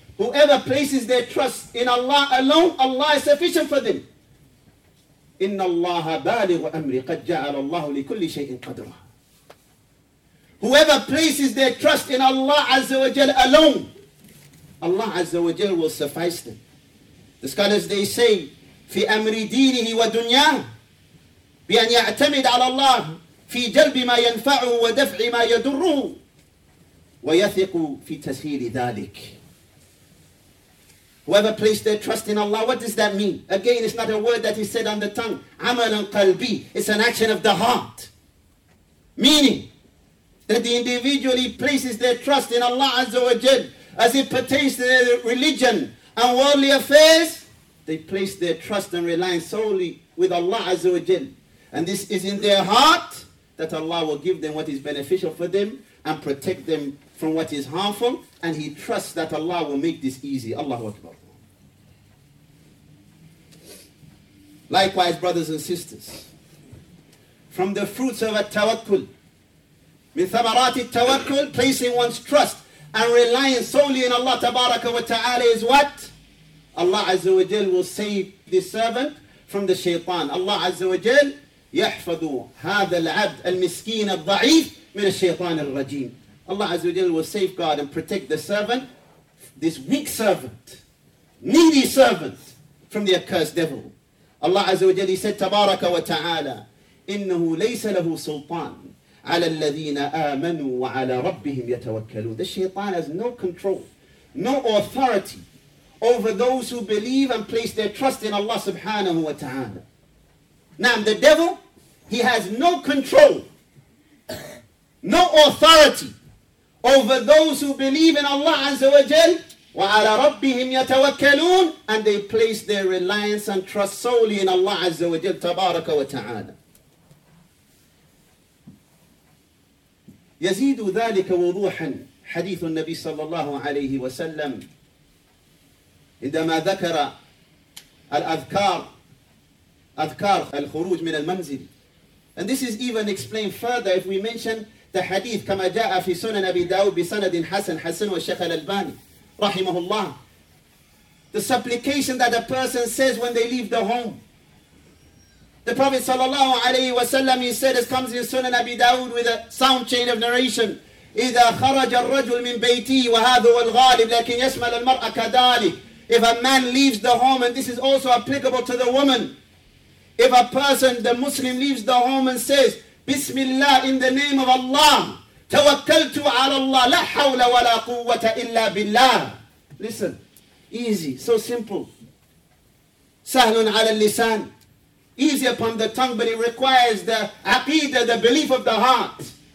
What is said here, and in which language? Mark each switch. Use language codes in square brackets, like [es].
[en] Whoever places their trust in Allah alone, Allah is sufficient for them. [ar] إِنَّ اللَّهَ بَالِغُ أَمْرِ قَدْ جَعَلَ اللَّهُ لِكُلِّ شَيْءٍ قَدْرًا. [en] Whoever places their trust in Allah Azza wa Jal alone, Allah Azza wa Jal will suffice them. The scholars, they say, [ar] فِي أَمْرِ دِينِهِ وَدُنْيَاهِ بِأَنْ يَعْتَمِدْ عَلَى اللَّهِ فِي جَلْبِ مَا يَنْفَعُهُ وَدَفْعِ مَا يَدُرُّهُ وَيَثِقُ فِي تَسْهِيلِ ذَلِكِ. [en] Whoever placed their trust in Allah, what does that mean? Again, it's not a word that is said on the tongue. [ar] عَمَلًا قَلْبِي. [en] It's an action of the heart. Meaning that the individual, he places their trust in Allah Azza wa Jal as it pertains to their religion and worldly affairs. They place their trust and reliance solely with Allah Azza wa Jal. And this is in their heart that Allah will give them what is beneficial for them and protect them from what is harmful, and he trusts that Allah will make this easy. Allahu Akbar. Likewise, brothers and sisters, from the fruits of at-tawakkul, [ar] min thamarati at-tawakkul, [en] placing one's trust and relying solely in Allah Tabaraka wa Ta'ala, is what? Allah Azza wa Jal will save this servant from the shaytan. [ar] Allah Azza wa Jal, يَحْفَظُ هَذَا الْعَبْدُ الْمِسْكِينَ الضَّعِيفِ مِنَ الشَّيْطَانِ الرَّجِيمِ. [en] Allah Azza wa Jal will safeguard and protect the servant, this weak servant, needy servant, from the accursed devil. [ar] Allah Azza wa Jal, [en] he said, [ar] تَبَارَكَ وَتَعَالَى إِنَّهُ لَيْسَ لَهُ سُلْطَانٌ عَلَى الَّذِينَ آمَنُوا وَعَلَى رَبِّهِمْ يَتَوَكَّلُونَ. [en] The shaytan has no control, no authority over those who believe and place their trust in Allah subhanahu wa ta'ala. Now the devil, he has no control, no authority over those who believe in Allah Azza wa Jal, [ar] وَعَلَى رَبِّهِمْ يَتَوَكَّلُونَ, [en] and they place their reliance and trust solely in Allah Azza wa Jal, تَبَارَكَ وَتَعَالَى. [ar] يَزِيدُ ذَلِكَ وُضُوحًا حَدِيثُ النَّبِي صلى الله عليه وسلم عندما ذكر الأذكار, أذكار الخروج من المنزل. [en] And this is even explained further if we mention the hadith [ar] كما جاء في سنن أبي داود بسند حسن حسن والشيخ الألباني رحمه الله. [en] The supplication that a person says when they leave the home. The Prophet صلى الله عليه وسلم, he said, it comes in سنن أبي داود with a sound chain of narration. [ar] إذا خرج الرجل من بيتي وهذا هو الغالب لكن يشمل المرأة كذلك. [en] If a man leaves the home, and this is also applicable to the woman, if a person, the Muslim, leaves the home and says, Bismillah, in the name of Allah, [ar] tawakkaltu ala Allah, la hawla wa la quwwata illa billah. [en] Listen, easy, so simple. [ar] Sahlun ala lisan, [en] easy upon the tongue, but it requires the aqidah, the belief of the heart.